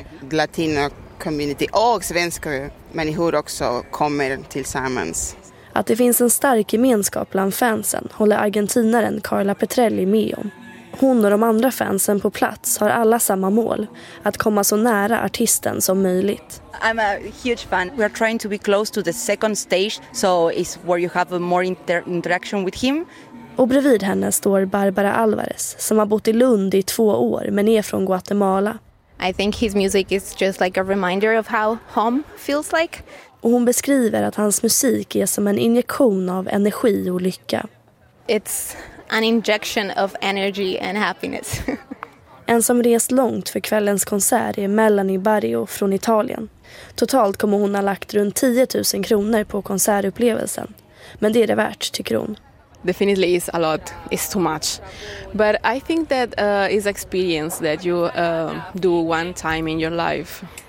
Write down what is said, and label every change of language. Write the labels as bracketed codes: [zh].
[en] Latino community [sv] och svenska människor också kommer tillsammans. Att det finns en stark gemenskap bland fansen håller argentinaren Carla Petrelli med om. Hon och de andra fansen på plats har alla samma mål, att komma så nära artisten som möjligt. [en] I'm a huge fan. We are trying to be close to the second stage, so it's where you have a more interaction with him. [sv] Och bredvid henne står Barbara Alvarez, som har bott i Lund i 2 år men är från Guatemala. [en] I think his music is just like a reminder of how home feels like. [sv] Och hon beskriver att hans musik är som en injektion av energi och lycka. [en] It's an injection of energy and happiness. [sv] En som rest långt för kvällens konsert är Melanie Barrio från Italien. Totalt kommer hon ha lagt runt 10 000 kronor på konsertupplevelsen. Men det är det värt, tycker hon. [en] Definitely is a lot, is too much. But I think that is experience that you do one time in your life.